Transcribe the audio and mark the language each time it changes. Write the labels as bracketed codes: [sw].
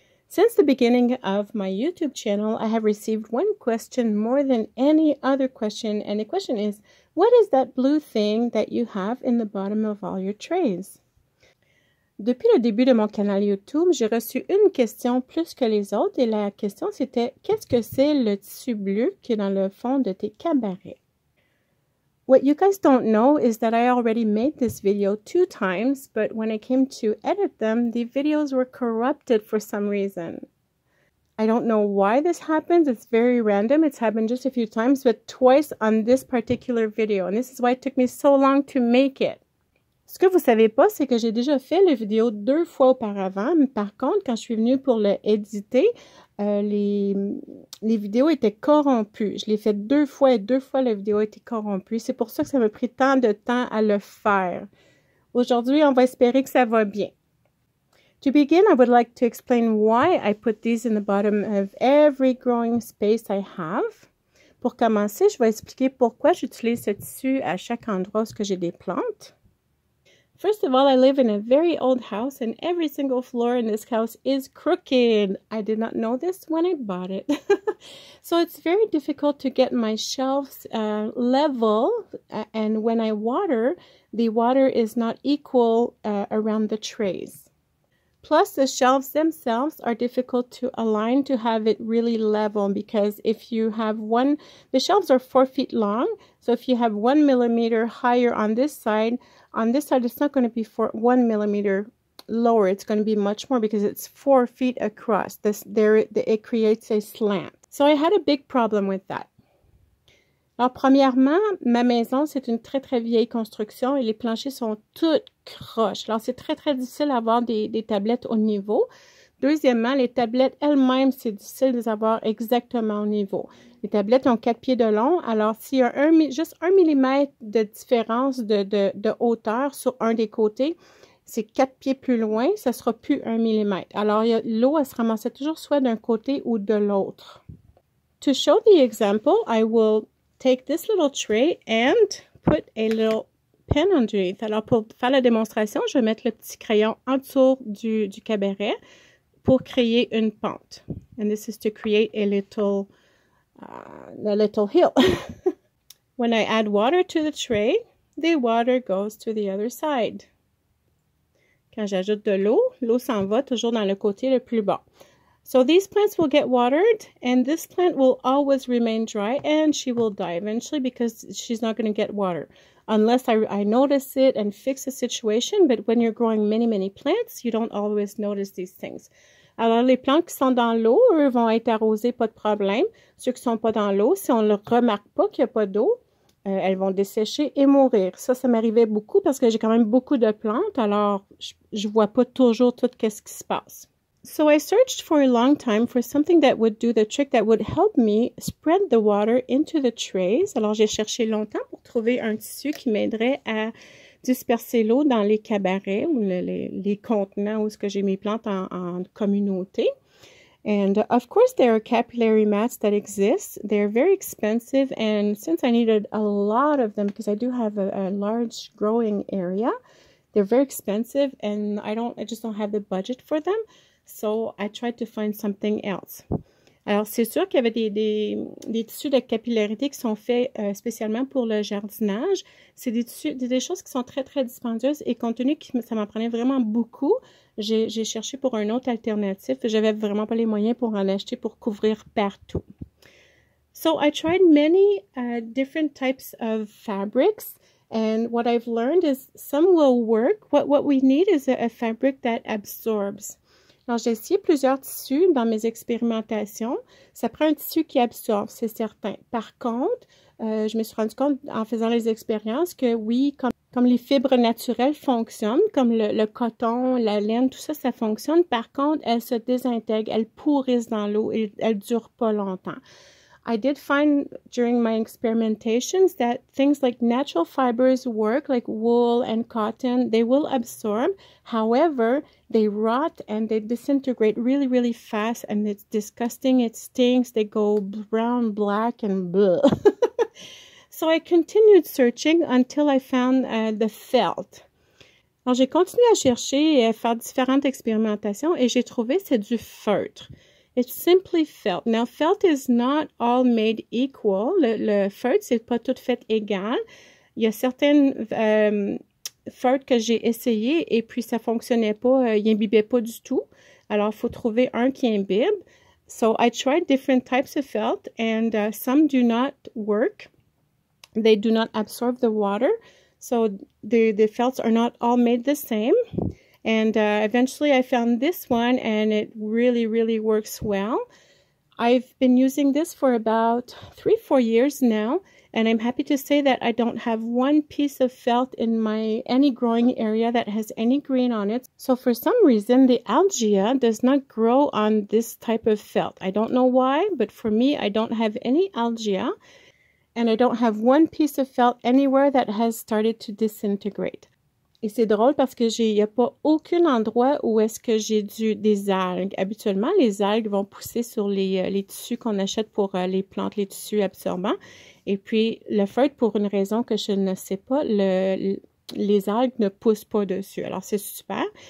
[en] Since the beginning of my YouTube channel, I have received one question more than any other question, and the question is, what is that blue thing that you have in the bottom of all your trays? [fr] Depuis le début de mon canal YouTube, j'ai reçu une question plus que les autres, et la question c'était, qu'est-ce que c'est le tissu bleu qui est dans le fond de tes cabarets? [en] What you guys don't know is that I already made this video 2 times, but when I came to edit them, the videos were corrupted for some reason. I don't know why this happens. It's very random. It's happened just a few times, but twice on this particular video. And this is why it took me so long to make it. [fr] Ce que vous savez pas, c'est que j'ai déjà fait le vidéo 2 fois auparavant. Mais par contre, quand je suis venue pour le éditer, les vidéos étaient corrompues. Je l'ai fait 2 fois et 2 fois la vidéo était corrompue. C'est pour ça que ça m'a pris tant de temps à le faire. Aujourd'hui, on va espérer que ça va bien. [en] To begin, I would like to explain why I put these in the bottom of every growing space I have. [fr] Pour commencer, je vais expliquer pourquoi j'utilise ce tissu à chaque endroit où j'ai des plantes. [en] First of all, I live in a very old house and every single floor in this house is crooked. I did not know this when I bought it. So it's very difficult to get my shelves level, and when I water, the water is not equal around the trays. Plus, the shelves themselves are difficult to align to have it really level, because if you have one, the shelves are 4 feet long, so if you have 1 millimeter higher on this side it's not going to be 1 millimeter lower, it's going to be much more because it's 4 feet across. It creates a slant. So I had a big problem with that. [fr] Alors, premièrement, ma maison, c'est une très, très vieille construction et les planchers sont toutes croches. Alors, c'est très, très difficile d'avoir des tablettes au niveau. Deuxièmement, les tablettes elles-mêmes, c'est difficile de les avoir exactement au niveau. Les tablettes ont 4 pieds de long. Alors, s'il y a juste 1 millimètre de différence de hauteur sur un des côtés, c'est 4 pieds plus loin, ça sera plus 1 millimètre. Alors, l'eau, elle se ramassait toujours soit d'un côté ou de l'autre. [en] To show the example, I will take this little tray and put a little pen underneath. [fr] Alors, pour faire la démonstration, je vais mettre le petit crayon en dessous du cabaret pour créer une pente. [en] And this is to create a little hill. When I add water to the tray, the water goes to the other side. [fr] Quand j'ajoute de l'eau, l'eau s'en va toujours dans le côté le plus bas. [en] So these plants will get watered, and this plant will always remain dry, and she will die eventually because she's not going to get water. Unless I notice it and fix the situation, but when you're growing many, many plants, you don't always notice these things. [fr] Alors, les plantes qui sont dans l'eau, eux vont être arrosées, pas de problème. Ceux qui sont pas dans l'eau, si on ne remarque pas qu'il n'y a pas d'eau, elles vont dessécher et mourir. Ça m'arrivait beaucoup parce que j'ai quand même beaucoup de plantes, alors je vois pas toujours tout qu'est-ce qui se passe. [en] So I searched for a long time for something that would do the trick that would help me spread the water into the trays. [fr] Alors, j'ai cherché longtemps pour trouver un tissu qui m'aiderait à disperser l'eau dans les cabarets ou les contenants où est-ce que j'ai mes plantes en communauté. [en] And of course, there are capillary mats that exist. They're very expensive. And since I needed a lot of them, because I do have a large growing area, they're very expensive and I just don't have the budget for them. So, I tried to find something else. [fr] Alors, c'est sûr qu'il y avait des tissus de capillarité qui sont faits spécialement pour le jardinage. C'est des tissus, des choses qui sont très, très dispendieuses et compte tenu que ça m'en prenait vraiment beaucoup, j'ai cherché pour un autre alternatif. J'avais vraiment pas les moyens pour en acheter pour couvrir partout. [en] So, I tried many different types of fabrics. And what I've learned is some will work. What we need is a fabric that absorbs. [fr] Alors, j'ai essayé plusieurs tissus dans mes expérimentations. Ça prend un tissu qui absorbe, c'est certain. Par contre, je me suis rendu compte en faisant les expériences que oui, comme les fibres naturelles fonctionnent, comme le coton, la laine, tout ça, ça fonctionne. Par contre, elles se désintègrent, elles pourrissent dans l'eau et elles ne durent pas longtemps. [en] I did find during my experimentations that things like natural fibers work, like wool and cotton, they will absorb. However, they rot and they disintegrate really, really fast and it's disgusting, it stinks, they go brown, black and blue. So I continued searching until I found the felt. [fr] Alors, j'ai continué à chercher et à faire différentes expérimentations et j'ai trouvé c'est du feutre. [en] It's simply felt. Now, felt is not all made equal. [fr] Le feutre, c'est pas tout fait égal. Il y a certaines feutres que j'ai essayées et puis ça fonctionnait pas, il imbibait pas du tout. Alors, il faut trouver un qui imbibe. [en] So, I tried different types of felt and some do not work. They do not absorb the water. So, the felts are not all made the same. And eventually, I found this one and it really, really works well. I've been using this for about 3, 4 years now. And I'm happy to say that I don't have one piece of felt in my any growing area that has any green on it. So for some reason, the algae does not grow on this type of felt. I don't know why, but for me, I don't have any algae, and I don't have one piece of felt anywhere that has started to disintegrate. [fr] Et c'est drôle parce que j'ai, il n'y a pas aucun endroit où est-ce que j'ai des algues. Habituellement, les algues vont pousser sur les tissus qu'on achète pour les plantes, les tissus absorbants. Et puis, le feutre, pour une raison que je ne sais pas, les algues ne poussent pas dessus. Alors, c'est super.